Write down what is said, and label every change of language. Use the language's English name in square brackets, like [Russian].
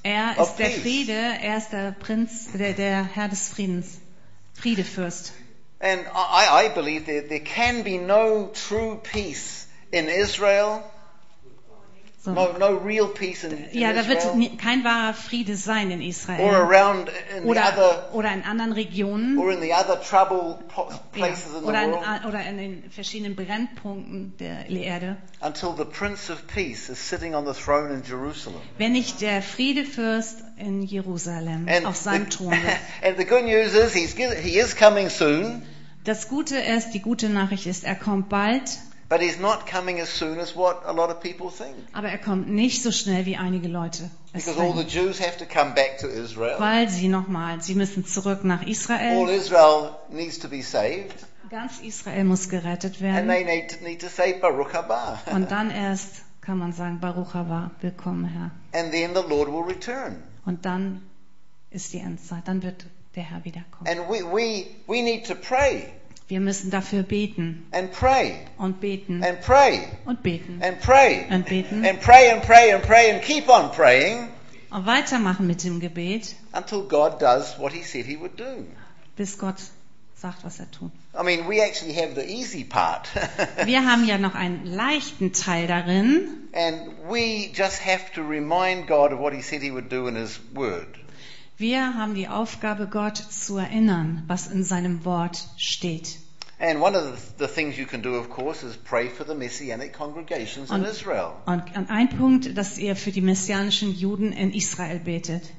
[German] Er ist der Friede, er ist der Prinz, der Herr des Friedens, Friedefürst. [English] And I believe there can be no true peace in Israel. No real peace in Israel. [German] Ja, da wird kein wahrer Friede sein in Israel. [English] Or around in [German] oder in anderen Regionen. [English] Or in the other trouble places in the world. [German] Oder in den verschiedenen Brennpunkten der Erde. [English] Until the Prince of Peace is sitting on the throne in Jerusalem. [German] Wenn nicht der Friedefürst in Jerusalem auf seinem Thron ist. [English] And the good news is he is coming soon. [German] Die gute Nachricht ist, er kommt bald. [English] But he's not coming as soon as what a lot of people think. [German] Aber er kommt nicht so schnell wie einige Leute. [English] Because all the Jews have to come back to Israel. [German] Weil sie müssen zurück nach Israel. [English] All Israel needs to be saved. [German] Ganz Israel muss gerettet werden. [English] And they need to say [Hebrew] Baruch Haba. [German] Und dann erst kann man sagen [Hebrew] Baruch Haba, [German] willkommen Herr. [English] And then the Lord will return. [German] Und dann ist die Endzeit, dann wird der Herr wiederkommen. [English] And we need to pray. [German] Wir müssen dafür beten. [English] And pray. [German] Und beten. [English] And pray. [German] Und beten. [English] And pray. [German] Und beten. [English] And pray and pray and pray and keep on praying. [German] Und weitermachen mit dem Gebet. [English] Until God does what he said he would do. [German] Bis Gott sagt, was er tut. [English] I mean, we actually have the easy part. [German] Wir haben ja noch einen leichten Teil darin. [English] And we just have to remind God of what he said he would do in his word. [German] Wir haben die Aufgabe, Gott zu erinnern, was in seinem Wort steht. [English] And one of the things you can do, of course, is pray for the messianic congregations in Israel. [German] Und ein Punkt, dass ihr für die messianischen Juden in Israel betet.